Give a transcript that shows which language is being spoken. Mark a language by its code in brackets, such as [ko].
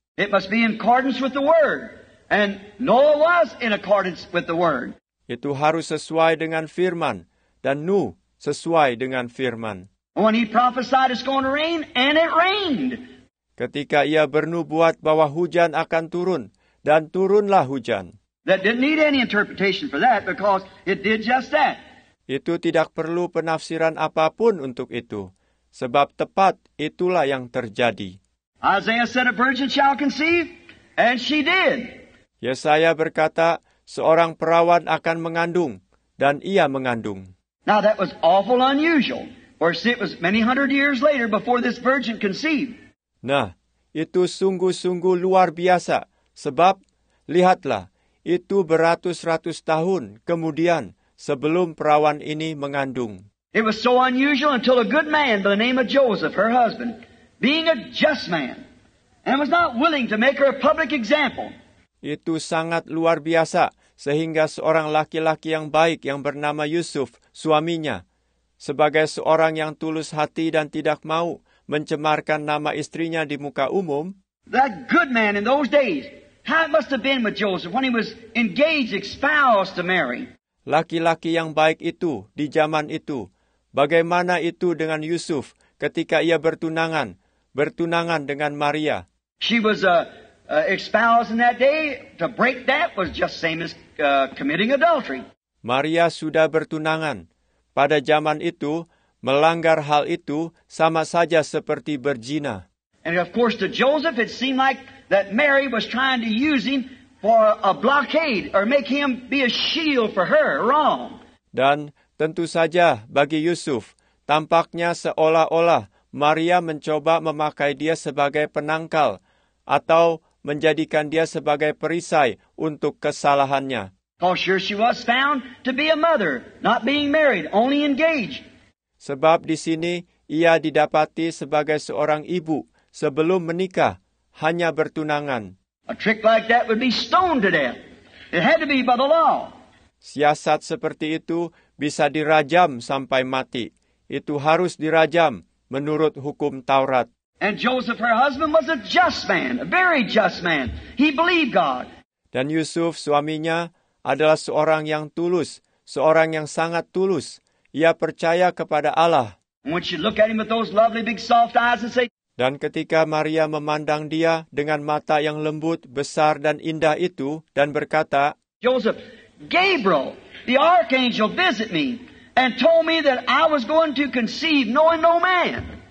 [en] It must be in accordance with the word. And Noah was in accordance with the word. [id] Itu harus sesuai dengan firman, dan Nuh sesuai dengan firman. [en] When he prophesied it's going to rain, and it rained. [id] Ketika ia bernubuat bahwa hujan akan turun, dan turunlah hujan. [en] That didn't need any interpretation for that, because it did just that. [id] Itu tidak perlu penafsiran apapun untuk itu, sebab tepat itulah yang terjadi. [en] Isaiah said a virgin shall conceive, and she did. [id] Yesaya berkata, seorang perawan akan mengandung, dan ia mengandung. [en] Now that was awful unusual, or it was many hundred years later before this virgin conceived. [id] Nah, itu sungguh-sungguh luar biasa, sebab, lihatlah, itu beratus-ratus tahun kemudian sebelum perawan ini mengandung. [en] It was so unusual until a good man by the name of Joseph, her husband, being a just man, and was not willing to make her a public example. [id] Itu sangat luar biasa, sehingga seorang laki-laki yang baik yang bernama Yusuf, suaminya, sebagai seorang yang tulus hati dan tidak mau mencemarkan nama istrinya di muka umum. [en] That good man in those days, how it must have been with Joseph when he was engaged, espoused to Mary. [id] Laki-laki yang baik itu, di zaman itu, bagaimana itu dengan Yusuf ketika ia bertunangan dengan Maria. [en] She was a espoused in that day, to break that was just same as committing adultery. [id] Maria sudah bertunangan. Pada zaman itu, melanggar hal itu sama saja seperti berzina. [en] And of course to Joseph it seemed like that Mary was trying to use him for a blockade or make him be a shield for her wrong. [id] Dan tentu saja bagi Yusuf, tampaknya seolah-olah Maria mencoba memakai dia sebagai penangkal atau menjadikan dia sebagai perisai untuk kesalahannya. [en] Oh, sure she was found to be a mother, not being married, only engaged. [id] Sebab di sini ia didapati sebagai seorang ibu sebelum menikah, hanya bertunangan. [en] A trick like that would be stoned to death. It had to be by the law. [id] Siasat seperti itu bisa dirajam sampai mati. Itu harus dirajam menurut hukum Taurat. [en] And Joseph, her husband, was a just man, a very just man. He believed God. [id] Dan Yusuf, suaminya, adalah seorang yang tulus, seorang yang sangat tulus. Ia percaya kepada Allah. [en] When she looked at him with those lovely big soft eyes and say, [id] dan ketika Maria memandang dia dengan mata yang lembut, besar dan indah itu, dan berkata, [en] Joseph, Gabriel, the archangel, visit me and told me that I was going to conceive knowing no man.